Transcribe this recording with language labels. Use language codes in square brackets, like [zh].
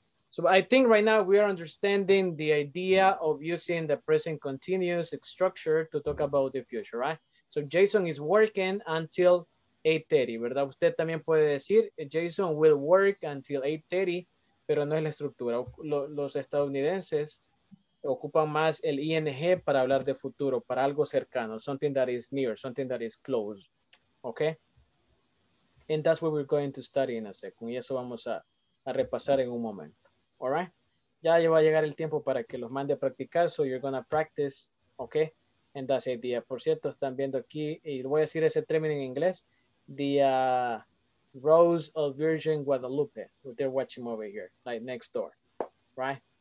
[en] So I think right now we are understanding the idea of using the present continuous structure to talk about the future, right? So Jason is working until 8:30, ¿verdad? [es] Usted también puede decir, Jason will work until 8:30, pero no es la estructura. Los estadounidenses ocupan más el ING para hablar de futuro, para algo cercano, something that is near, something that is close, okay? [en] And that's what we're going to study in a second. [es] Y eso vamos a repasar en un momento. [en] All right, ya va a llegar el tiempo para que los mande a practicar, so you're gonna practice, okay? And that's the idea. [es] Por cierto, están viendo aquí, y voy a decir ese término en inglés, the Rose of Virgin Guadalupe, they're watching over here, like next door, right?